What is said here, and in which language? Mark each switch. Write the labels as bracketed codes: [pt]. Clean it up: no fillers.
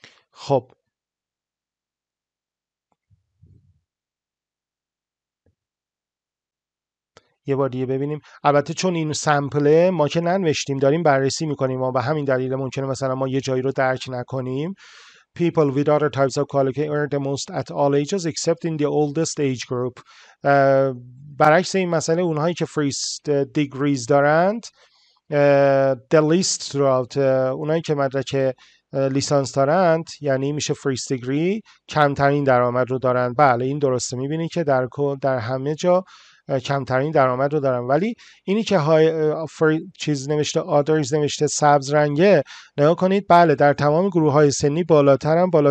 [fa] خب یه بار دیگه ببینیم. البته چون این سمپله ما که ننوشتیم، داریم بررسی میکنیم، ما به همین دلیل ممکنه مثلا ما یه جایی رو درک نکنیم. [en] People with other types of qualification earn the most at all ages except in the oldest age group. [fa] برعکس این مسئله، اونهایی که [en] first degrees [fa] دارند [en] the least throughout، [fa] اونهایی که مدرک لیسانس دارند یعنی میشه first degree، کمترین درآمد رو دارند. بله این درسته، میبینی که در همه جا کمترین درآمد رو دارن، ولی اینی که چیز نوشته others نوشته سبز رنگه، نگاه کنید، بله در تمام گروه های سنی بالاترن.